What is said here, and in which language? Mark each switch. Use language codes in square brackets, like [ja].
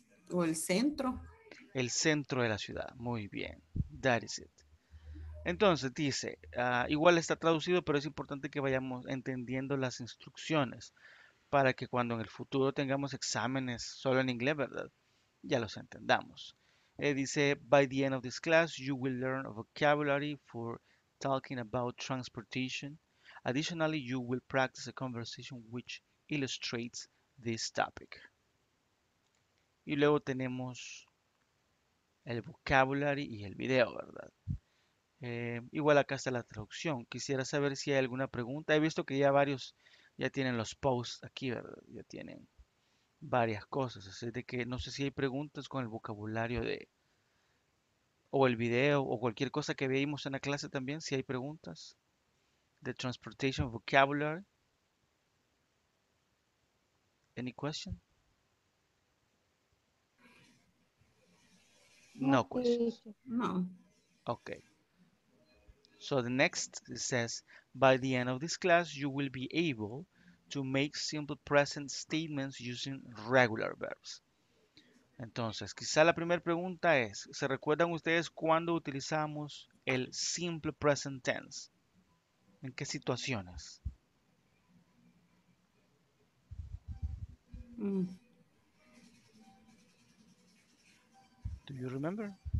[es] O el centro. El centro de la ciudad, muy bien. [en] That is it. [es] Entonces, dice, igual está traducido, pero es importante que vayamos entendiendo las instrucciones. Para que cuando en el futuro tengamos exámenes solo en inglés, ¿verdad? Ya los entendamos. [en] Dice, by the end of this class, you will learn a vocabulary for talking about transportation. Additionally, you will practice a conversation which illustrates this topic. [es] Y luego tenemos el vocabulary y el video, ¿verdad? Igual acá está la traducción. Quisiera saber si hay alguna pregunta. He visto que ya varios... Ya tienen los posts aquí, ¿verdad? Ya tienen varias cosas. Así de que no sé si hay preguntas con el vocabulario de... O el video o cualquier cosa que veamos en la clase también. Si hay preguntas. [en] The transportation vocabulary. Any question? No questions. No. Okay. So the next says, by the end of this class, you will be able to make simple present statements using regular verbs. [es] Entonces, quizá la primera pregunta es, ¿se recuerdan ustedes cuándo utilizamos el simple present tense? ¿En qué situaciones? [en] Do you remember?